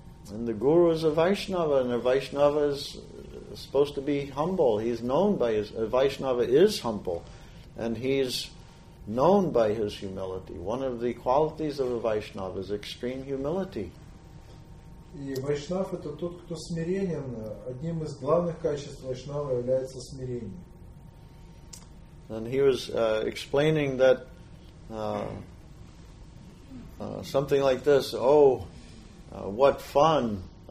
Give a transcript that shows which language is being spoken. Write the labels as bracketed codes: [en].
[en] And the guru is a Vaishnava, and a Vaishnava is supposed to be humble. He's known by his, a Vaishnava is humble, and he's known by his humility. One of the qualities of a Vaishnava is extreme humility. [ru] И Вайшнав это тот, кто смиренен. Одним из главных качеств Вайшнава является смирение. [en] And he was explaining that something like this: oh, what fun!